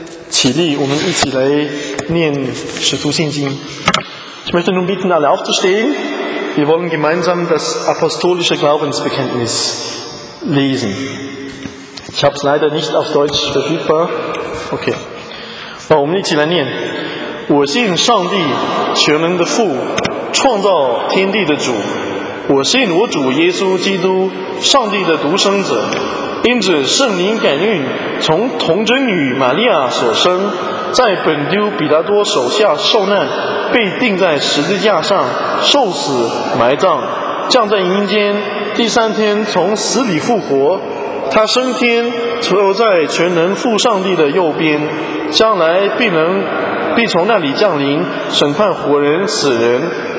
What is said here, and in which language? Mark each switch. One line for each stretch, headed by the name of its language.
Chinese: 起立，我们一起来念《使徒信经》。
German: Ich möchte nun bitten, alle aufzustehen. Wir wollen gemeinsam das apostolische Glaubensbekenntnis lesen. Ich habe es leider nicht auf Deutsch verfügbar.
Chinese: Okay. 好，我们一起来念。我信上帝，全能的父，创造天地的主。我信我主耶稣基督，上帝的独生子，因着圣灵感孕，从童贞女玛利亚所生，在本丢比拉多手下受难，被钉在十字架上，受死埋葬，降在阴间，第三天从死里复活，他升天，坐在全能父上帝的右边，将来必从那里降临，审判活人死人。